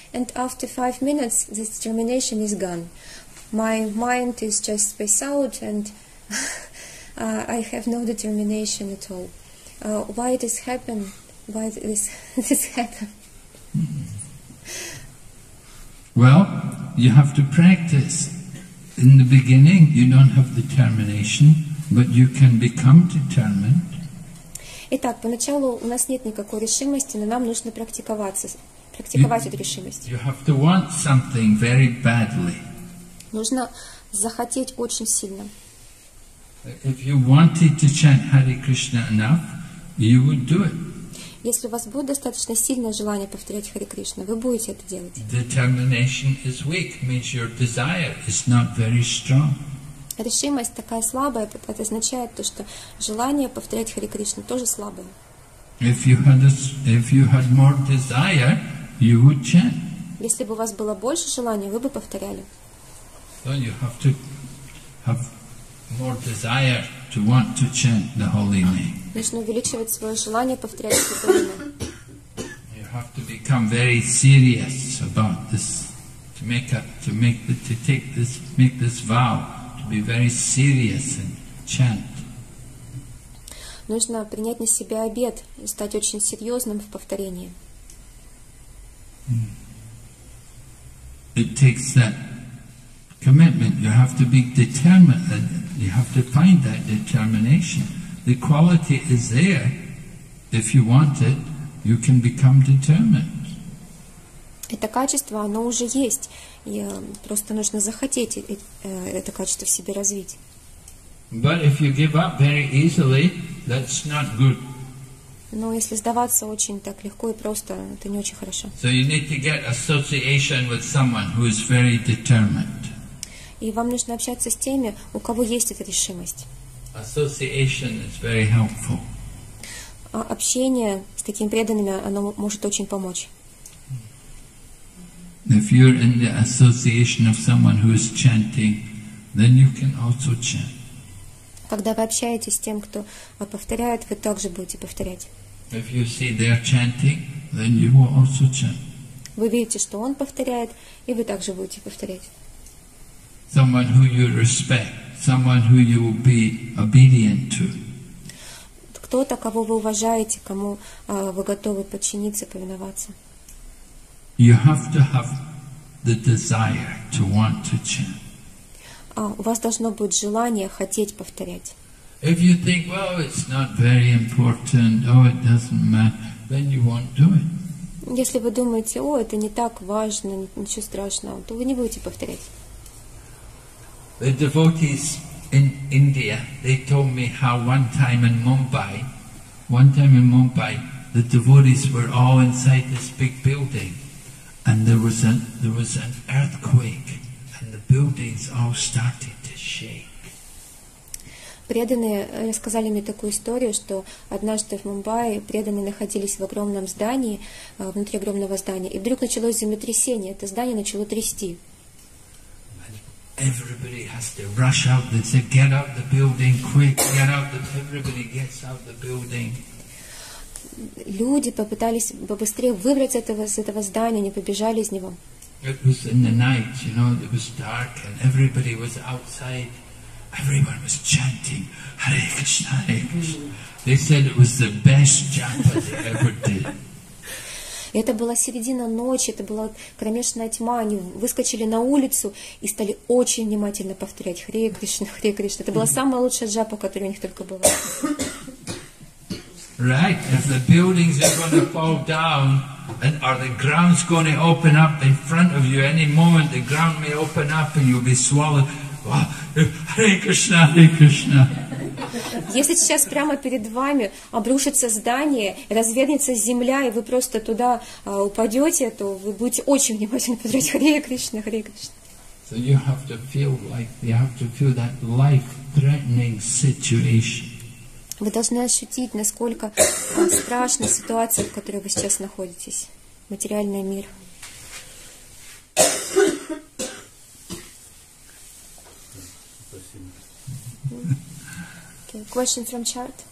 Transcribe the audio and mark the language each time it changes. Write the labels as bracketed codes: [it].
[en] And after 5 minutes, this determination is gone. My mind is just spaced out and I have no determination at all. Why this happened? Why this happened? Well, you have to practice. In the beginning, you don't have determination, but you can become determined. [ru] Итак, поначалу у нас нет никакой решимости, но нам нужно практиковать эту решимость. [en] You have to want something very badly. [ru] Нужно захотеть очень сильно. [en] If you wanted to chant Hare Krishna enough, you would do it. [ru] Если у вас будет достаточно сильное желание повторять Хари Кришна, вы будете это делать. [en] Determination is weak, means your desire is not very strong. [ru] Решимость такая слабая, это означает то, что желание повторять Хари Кришна тоже слабое. [en] If you had more desire, you would chant. [ru] Если бы у вас было больше желания, вы бы повторяли. [en] Then you have to have more desire to want to chant the holy name. [ru] Нужно увеличивать свое желание повторять святое имя. [en] You have to become very serious about this, to make this vow, to be very serious and chant. [ru] нужно принять на себя обет и стать очень серьезным в повторении. [en] It takes that commitment. You have to be determined. You have to find that determination. The quality is there. If you want it, you can become determined. [ru] Это качество, оно уже есть. И просто нужно захотеть это качество в себе развить. [en] But if you give up very easily, that's not good. [ru] Но если сдаваться очень так легко и просто, это не очень хорошо. [en] So you need to get association with someone who is very determined. [ru] И вам нужно общаться с теми, у кого есть эта решимость. [en] Association is very helpful. [ru] А общение с такими преданными, оно может очень помочь. [en] If you're in the association of someone who is chanting, then you can also chant. [ru] Когда вы общаетесь с тем, кто повторяет, вы также будете повторять. [en] If you see they're chanting, then you will also chant. [ru] Вы видите, что он повторяет, и вы также будете повторять. [en] Someone who you respect, someone who you will be obedient to. [ru] Кто-то, кого вы уважаете, кому вы готовы подчиниться, повиноваться. [en] You have to have the desire to want to chant. [ru] У вас должно быть желание хотеть повторять. [en] If you think, well, it's not very important, oh, it doesn't matter, then you won't do it. [ru] Если вы думаете, о, это не так важно, ничего страшного, то вы не будете повторять. [en] The devotees in India, they told me how one time in Mumbai, the devotees were all inside this big building. And there was an earthquake, and the buildings all started to shake. [ru] Преданные рассказали мне такую историю, что однажды в Мумбаи преданные находились в огромном здании, внутри огромного здания, и вдруг началось землетрясение, это здание начало трясти. [en] And everybody has to rush out. They say, "Get out the building quick! Get out the everybody gets out the building." [ru] Люди попытались побыстрее выбраться из этого здания, они побежали из него. [en] It was in the night, you know, it was dark, and everybody was outside. Everyone was chanting, Hare Krishna, Hare Krishna. They said it was the best japa they ever did. [ru] Это была середина ночи, это была кромешная тьма, они выскочили на улицу и стали очень внимательно повторять Хари Кришна, Хари Кришна. Это была самая лучшая джапа, которая у них только была. [en] Right, if the buildings are going to fall down, and are the grounds going to open up in front of you any moment, the ground may open up and you'll be swallowed. Wow. Hare Krishna, Hare Krishna. [ru] Если сейчас прямо перед вами обрушится здание, развернется земля, и вы просто туда упадете, то вы будете очень внимательно смотреть Hare Krishna, Hare Krishna. [en] So you have to feel like, you have to feel that life-threatening situation. [ru] Вы должны ощутить, насколько страшна ситуация, в которой вы сейчас находитесь. Материальный мир. [en] Okay. Question from chart?